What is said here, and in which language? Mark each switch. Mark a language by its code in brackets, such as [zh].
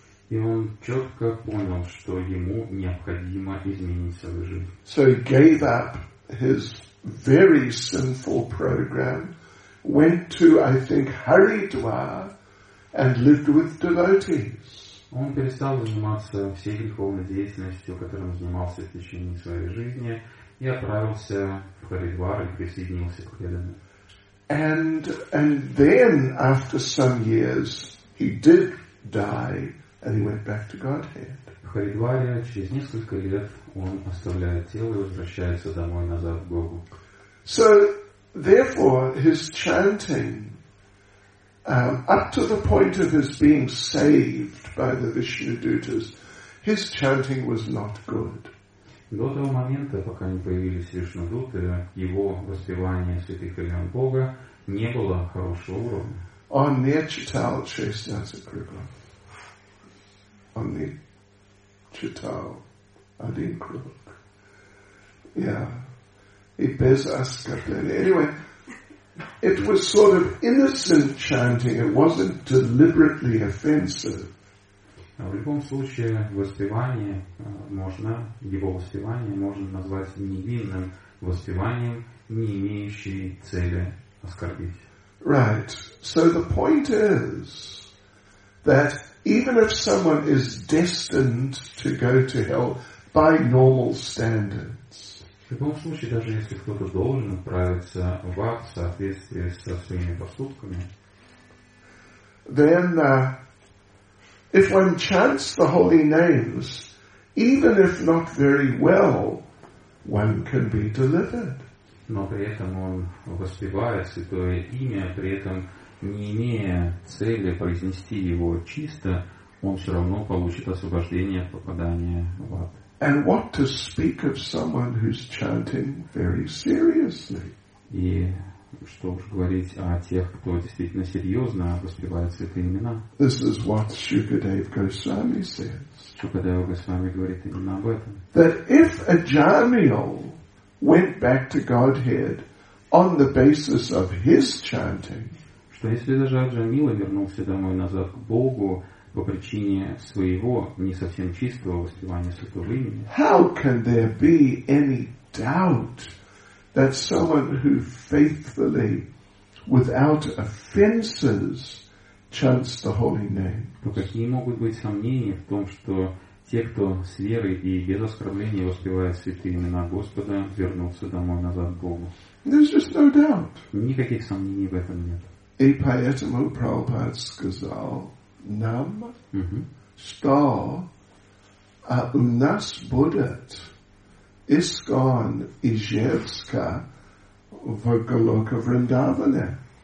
[ru] И он четко понял, что ему необходимо изменить свою жизнь. [en] So he gave up his very sinful program, went to, I think, Haridwar, and lived with devotees. [ru] Он перестал заниматься всей духовной деятельностью, которым занимался в течение своей жизни, и отправился в Харидвар и присоединился к преданным. [en] And then, after some years, he did die. And he went back to Godhead. [ru] В Харидваре через несколько лет он оставляет тело и возвращается домой назад к Богу. [en] So, therefore, his chanting, up to the point of his being saved by the Vishnu Dutas, his chanting was not good. [ru] До того момента, пока не появились Вишну Дуты, его воспевание святых имен Бога не было хорошего уровня. Он не читал шестнадцать кругов. Он не читал один круг. [en] Yeah. [ru] И без оскорбления. [en] Anyway, it was sort of innocent chanting. It wasn't deliberately offensive. [ru] В любом случае, воспевание можно, его воспевание можно назвать невинным воспеванием, не имеющим цели оскорбить. [en] Right. So the point is that even if someone is destined to go to hell by normal standards. [ru] В любом случае, даже если кто-то должен отправиться в ад в соответствии со своими поступками, [en] then if one chants the holy names, even if not very well, one can be delivered. [ru] Но при этом он воспевает святое имя, при этом не имея цели произнести его чисто, он все равно получит освобождение от попадания в ад. [en] And what to speak of someone who's chanting very seriously? [ru] И что уж говорить о тех, кто действительно серьезно воспевает святые имена. [en] This is what Shukadeva Goswami says. [ru] Shukadeva Goswami говорит именно об этом. [en] That if a Jamil went back to Godhead on the basis of his chanting, [ru] что если даже Аджамила вернулся домой назад к Богу по причине своего не совсем чистого воспевания святого имени, [en] how can there be any doubt that someone who faithfully, without offenses, chants the holy name? [ru] То какие могут быть сомнения в том, что те, кто с верой и без оскорблений воспевает святые имена Господа, вернутся домой назад к Богу? [en] There's just no doubt. [ru] Никаких сомнений в этом нет. И поэтому Прабхупад сказал нам, что у нас будет ИСКОН ИЖЕВСКА В ГОЛОКА ВРИНДАВАНЕ.